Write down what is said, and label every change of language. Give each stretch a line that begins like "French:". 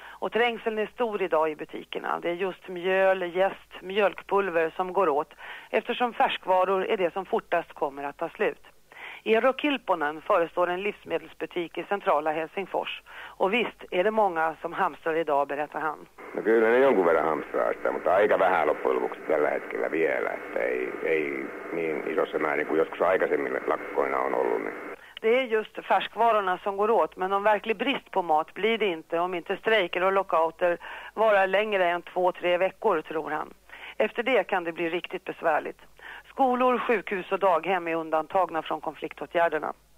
Swedish: Och trängseln är stor idag i butikerna. Det är just mjöl, jäst, mjölkpulver som går åt eftersom färskvaror är det som fortast kommer att ta slut. Eero Kilponen förestår en livsmedelsbutik i centrala Helsingfors. Och visst är det många som hamstrar idag, berättar han.
Finnish: No, kyllä ne jonkun verran hamstraa, mutta aika vähän loppujen lopuksi tällä hetkellä vielä. Ei niin isossa määrin kuin joskus aikaisemmin lakkoina on ollut. Niin.
Swedish: Det är just färskvarorna som går åt, men om verklig brist på mat blir det inte om inte strejker och lockouter varar längre än 2-3 veckor, tror han. Efter det kan det bli riktigt besvärligt. Skolor, sjukhus och daghem är undantagna från konfliktåtgärderna.